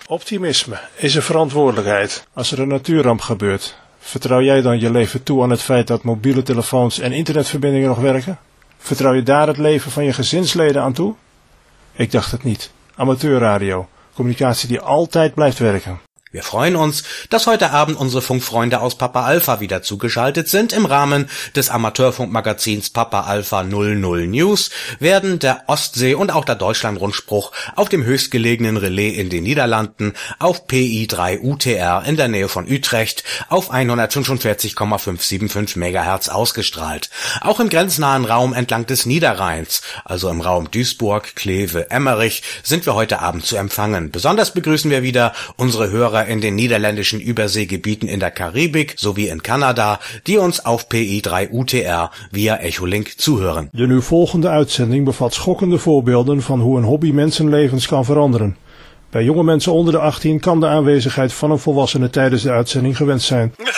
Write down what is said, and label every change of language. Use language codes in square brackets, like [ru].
[nl] Optimisme is een verantwoordelijkheid als er een natuurramp gebeurt. Vertrouw jij dan je leven toe aan het feit dat mobiele telefoons en internetverbindingen nog werken? Vertrouw je daar het leven van je gezinsleden aan toe? Ik dacht het niet. Amateurradio. Communicatie die altijd blijft werken. [de] Wir freuen uns, dass heute Abend unsere Funkfreunde aus Papa Alpha wieder zugeschaltet sind. Im Rahmen des Amateurfunkmagazins Papa Alpha 00 News werden der Ostsee- und auch der Deutschlandrundspruch auf dem höchstgelegenen Relais in den Niederlanden auf PI3 UTR in der Nähe von Utrecht auf 145,575 MHz ausgestrahlt. Auch im grenznahen Raum entlang des Niederrheins, also im Raum Duisburg, Kleve, Emmerich, sind wir heute Abend zu empfangen. Besonders begrüßen wir wieder unsere Hörer in den niederländischen Überseegebieten in der Karibik sowie in Kanada, die uns auf PI3 UTR via Echolink zuhören. [nl] De nu volgende uitzending bevat schokkende voorbeelden van hoe een hobby mensenlevens kan veranderen. Bij jonge mensen onder de 18 kan de aanwezigheid van een volwassene tijdens de uitzending gewend zijn.